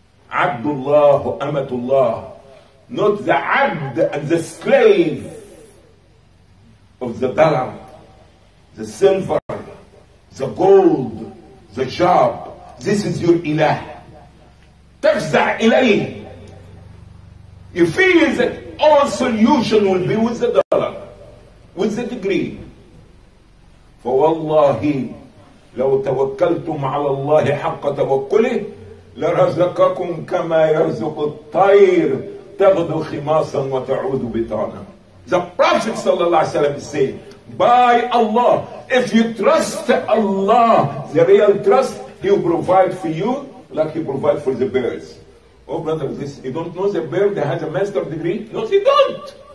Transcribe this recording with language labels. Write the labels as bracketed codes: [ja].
[en] Abdullah, Amatullah. Not the Abd and the slave of the dollar, the silver, the gold, the job. This is your ilah. Tafza' ilayhi. You feel that all solution will be with the dollar, with the degree. [ar] فوالله لو توكلتم على الله حق توكله لرزقكم كما يرزق الطير تغدو خماصا وتعود بطانا. [en] The Prophet sallallahu alaihi wasallam said, by Allah, if you trust Allah, the real trust, He will provide for you like He provide for the birds. Oh brother, this, you don't know the bird that has a master degree? No, you don't.